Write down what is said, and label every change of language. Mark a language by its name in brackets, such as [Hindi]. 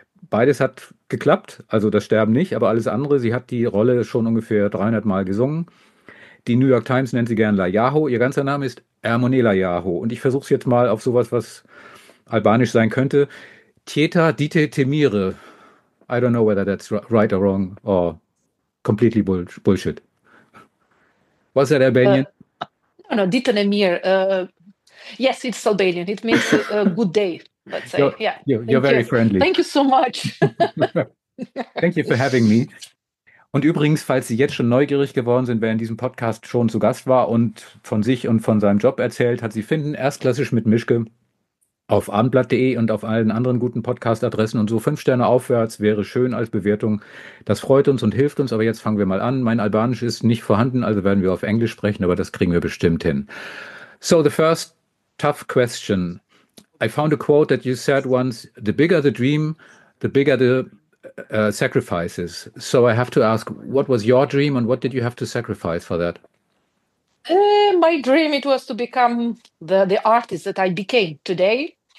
[German] Beides hat geklappt, also das Sterben nicht, aber alles andere. Sie hat die Rolle schon ungefähr 300 Mal gesungen. Die New York Times nennt sie gern Layaho. Ihr ganzer Name ist Ermone Layaho. Und ich versuche es jetzt mal auf sowas, was albanisch sein könnte. [Albanian] Tjeta dite temire. [English] I don't know whether that's right or wrong or completely bullshit. What's that Albanian? No, [Albanian] dite temire. [English] Yes, it's Albanian. It means a good day. Let's say, You're very friendly. Thank you so much. Thank you for having me. [German] Und übrigens, falls Sie jetzt schon neugierig geworden sind, wer in diesem Podcast schon zu Gast war und von sich und von seinem Job erzählt hat, Sie finden Erstklassisch mit Mischke auf abendblatt.de und auf allen anderen guten Podcast-Adressen. Und so 5 Sterne aufwärts wäre schön als Bewertung. Das freut uns und hilft uns. Aber jetzt fangen wir mal an. Mein Albanisch ist nicht vorhanden, also werden wir auf Englisch sprechen, aber das kriegen wir bestimmt hin. [English] So, the first tough question. I found a quote that you said once, the bigger the dream, the bigger the sacrifices. So I have to ask, what was your dream and what did you have to sacrifice for that? My dream, it was to become the artist that I became today.